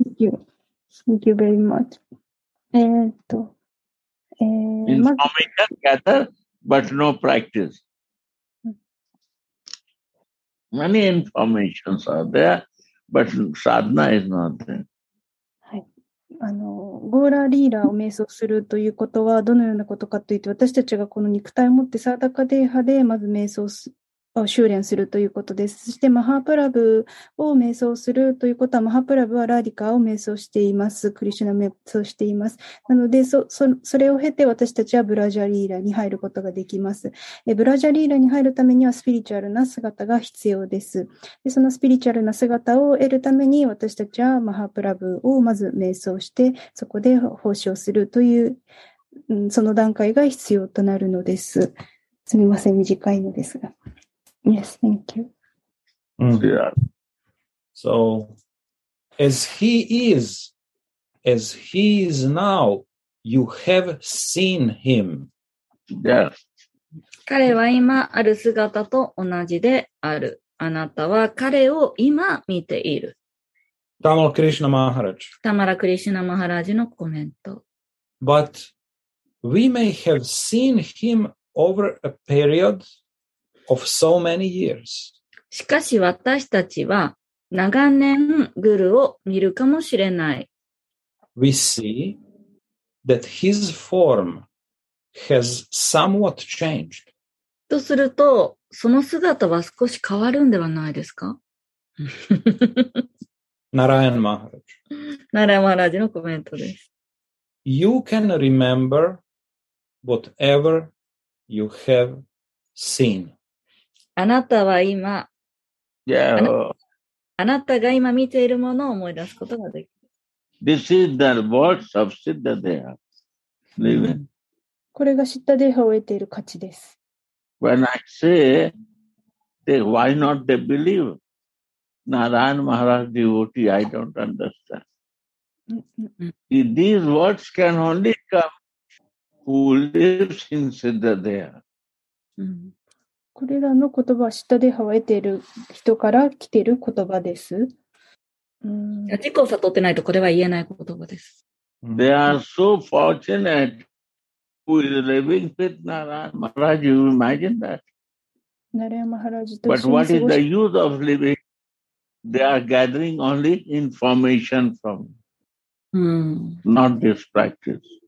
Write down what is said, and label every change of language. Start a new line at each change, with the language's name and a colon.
English: Thank you. Thank you very much. Information gather, but no practice. Many informations are there, but sadhana is not there.
Japanese: ゴーラーリーラーを瞑想するということはどのようなことかといって、私たちがこの肉体を持ってサーダカデーハでまず瞑想を修練するということです。そしてマハプラブを瞑想するということは、マハプラブはラディカを瞑想しています、クリシュナを瞑想しています。なので それを経て私たちはブラジャリーラーに入ることができます。ブラジャリーラーに入るためにはスピリチュアルな姿が必要です。でそのスピリチュアルな姿を得るために、私たちはマハプラブをまず瞑想して、そこで奉仕をするという、その段階が必要となるのです。すみません、短いのですが。
English: Yes, thank you. Yeah. So, as he is now, you have seen him. Yes.
Japanese: 彼は今ある姿と同じである。あなたは彼を今見ている。
English: Tamala Krishna Maharaj.
Japanese: Tamala Krishna Maharaj のコメント。
English: But we may have seen him over a period. Of so many years.
Japanese: しかし私たちは長年グルを見るかもしれない。
English: We see that his form has somewhat changed.
Japanese: とすると、その姿は少し変わるんではないですか？ナラヤン・マハラジ。ナラヤン・マハラジのコメントです。
English: You can remember whatever you have seen.
Japanese: あなたは今、 yeah. あなたが今見ているものを思い出すことができる。
English: This is the words of Siddha Deha. Living.
Japanese: これがシッダデハを得ている価値です。
English: When I say, they, why not they believe? Narayan Maharaj devotee, I don't understand. See, these words can only come who lives in Siddha Deha.
Japanese: これらの言葉はシッダデハを得ている人から来ている言葉です。自己を悟ってないとこれは言えない言葉です。
English: They are so fortunate who is living with Narayan Maharaj. You imagine that? Narayan Maharaj と But what is the use of living? They are gathering only information from not this practice.